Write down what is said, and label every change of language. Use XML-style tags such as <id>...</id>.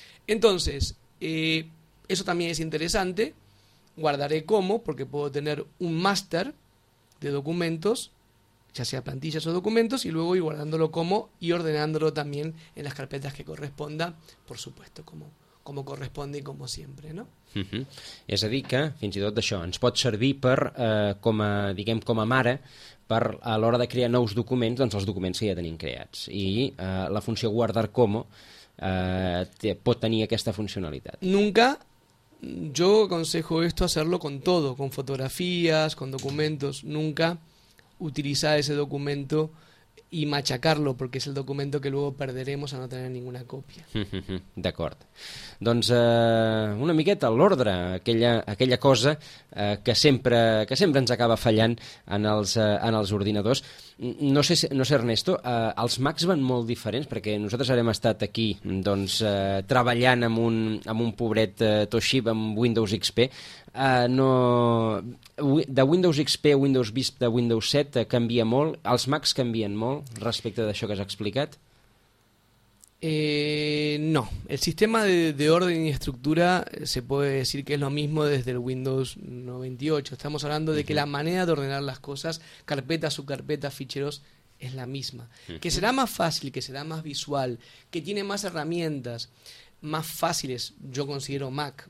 <es>Entonces, eso también es interesante. Guardaré como, porque puedo tener un máster de documentos, ya sea plantillas o documentos, y luego ir guardándolo como y ordenándolo también en las carpetas que corresponda, por supuesto, como corresponde y como siempre, ¿no? Uh-huh.</es> <ca>És a dir que, fins i tot això, ens pot servir per, com a, diguem, com a mare, per a l'hora de crear nous documents, doncs els documents que ja tenim creats. I la funció guardar como pot tenir aquesta funcionalitat.</ca> <es>Nunca. Yo aconsejo esto, hacerlo con todo, con fotografías, con documentos. Nunca utilizar ese documento y machacarlo, porque es el documento que luego perderemos a no tener ninguna copia.</es> <ca>D'acord. Doncs una miqueta l'ordre, aquella cosa que sempre ens acaba fallant en els ordinadors. No sé, Ernesto, els Macs van molt diferents, perquè nosaltres hem estat aquí doncs, treballant amb un pobret Toshiba amb Windows XP. No, de Windows XP a Windows Vista, Windows 7 canvia molt, els Macs canvien molt respecte d'això que has explicat?</ca> <es>No, el sistema de orden y estructura se puede decir que es lo mismo desde el Windows 98. Estamos hablando de que la manera de ordenar las cosas, carpetas, subcarpetas, ficheros, es la misma. Uh-huh. Que será más fácil, que será más visual, que tiene más herramientas. más fáciles. Yo considero Mac.</es>